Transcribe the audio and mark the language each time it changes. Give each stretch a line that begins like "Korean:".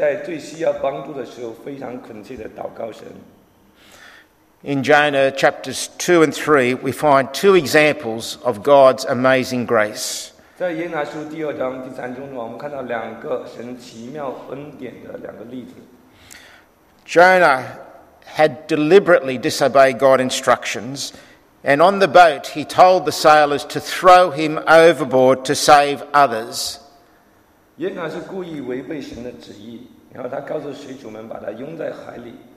Chinese: 耶拿也是这样的人，即使尼尼微人需要帮助，但是耶拿却认为不去帮助尼尼微城是对的，但是耶拿自己却在最需要帮助的时候非常恳切地祷告神。
English: In Jonah chapters 2 and 3, we find two examples of God's amazing grace.
Chinese: 在耶拿书第二章第三中呢，我们看到两个神奇妙恩典的两个例子。
English: Jonah had deliberately disobeyed God's instructions, and on the boat he told the sailors to throw him overboard to save others.
Chinese: 耶拿是故意违背神的旨意，然后他告诉水手们把他拥在海里。